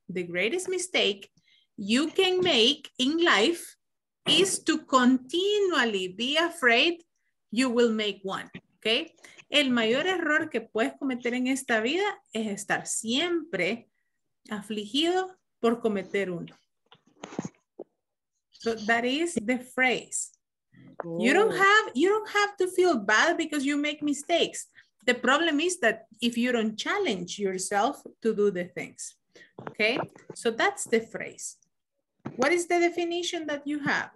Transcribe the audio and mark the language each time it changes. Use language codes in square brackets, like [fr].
[en] The greatest mistake you can make in life is to continually be afraid you will make one. Okay. [es] El mayor error que puedes cometer en esta vida es estar siempre afligido por cometer uno. [en] So that is the phrase. You don't have to feel bad because you make mistakes. The problem is that if you don't challenge yourself to do the things. Okay, so that's the phrase. What is the definition that you have?